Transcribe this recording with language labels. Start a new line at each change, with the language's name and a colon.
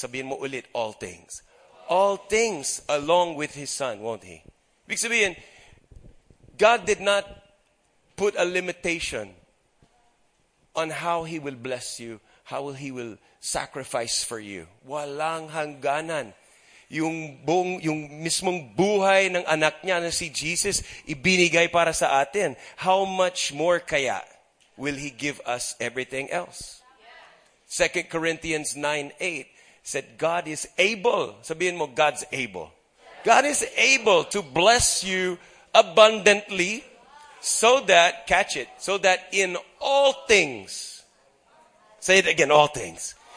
Filipino: Sabihin mo ulit,
English: all things. All things along with His Son, won't He?
Filipino: Ibig sabihin,
English: God did not put a limitation on how He will bless you, how He will sacrifice for you.
Filipino: Walang hangganan. Yung mismong buhay ng anak niya na si Jesus, ibinigay para sa atin.
English: How much more kaya will He give us everything else? 2 Corinthians 9:8 said, God is able,
Filipino: sabihin mo,
English: God's able. God is able to bless you abundantly so that, catch it, so that in all things, say it again, all things.